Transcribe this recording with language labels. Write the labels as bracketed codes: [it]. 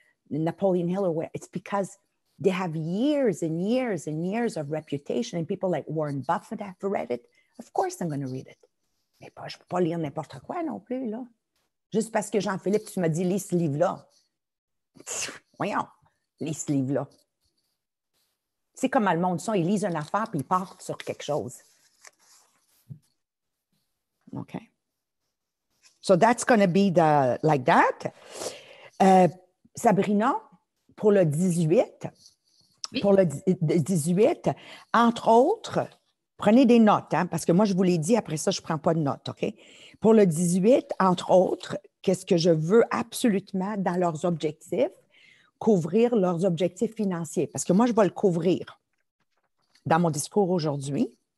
[en] Napoleon Hill, it's because they have years and years and years of reputation, and people like Warren Buffett have read it. Of course, I'm going to read it. [fr] Mais pas, je ne peux pas lire n'importe quoi non plus, là. Juste parce que Jean-Philippe, tu m'as dit, lis ce livre-là. Voyons, lis ce livre-là. C'est comme le monde, ils lisent une affaire puis ils partent sur quelque chose. OK. [en] So that's going to be the like that. [fr] Sabrina, pour le 18, oui. Pour le 18, entre autres, prenez des notes, hein, parce que moi, je vous l'ai dit, après ça, je ne prends pas de notes, OK? Pour le 18, entre autres, qu'est-ce que je veux absolument dans leurs objectifs? Couvrir leurs objectifs financiers, parce que moi, je vais le couvrir dans mon discours aujourd'hui.